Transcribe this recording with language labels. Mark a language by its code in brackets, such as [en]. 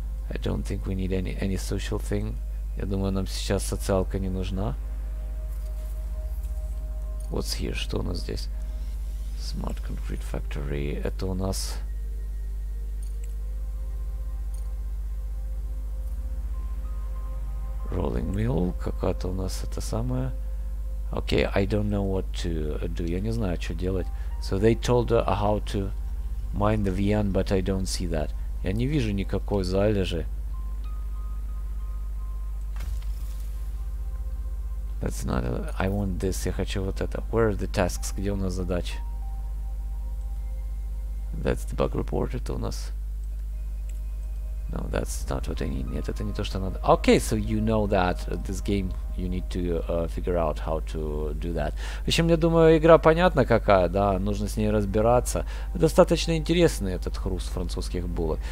[en] I don't think we need any social thing. [ru] Я думаю, нам сейчас социалка не нужна. [en] What's here? [ru] Что у нас здесь? [en] Smart concrete factory. [ru] Это у нас... [en] Rolling mill. [ru] Какая-то у нас это самое... [en] Okay, I don't know what to do. [ru] Я не знаю, что делать. [en] So they told how to mine the VN, but I don't see that. [ru] Я не вижу никакой залежи. [en] That's not... I want this. [ru] Я хочу вот это. [en] Where are the tasks? [ru] Где у нас задача? [en] That's the bug reported [ru] у нас. [en] No, that's not what I need. [ru] Нет, это не то, что надо. [en] Okay, so you know that this game, you need to figure out how to do that. [ru] В общем, я думаю, игра понятна какая, да, нужно с ней разбираться. Достаточно интересный этот хруст французских булок.